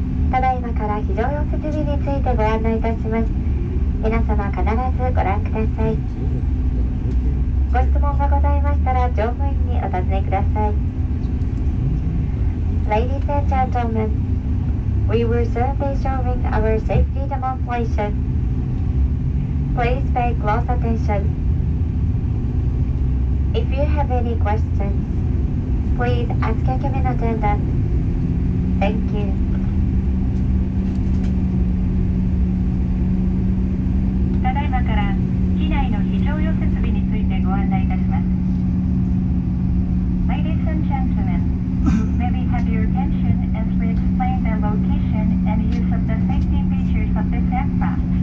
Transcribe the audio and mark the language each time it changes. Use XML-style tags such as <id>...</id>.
<ja>ただいまから非常用設備についてご案内いたします。皆様必ずご覧ください。ご質問がございましたら乗務員にお尋ねください。</ja> <en>Ladies and gentlemen, we will soon be showing our safety demonstrationPlease pay close attention. If you have any questions, please ask your cabin attendant. Thank you.</en> <ja>ただいまから機内の非常用設備についてご案内いたします。</ja> <en>Ladies and gentlemen, may we have your attention as we explain the location and use of the safety features of this aircraft.</en>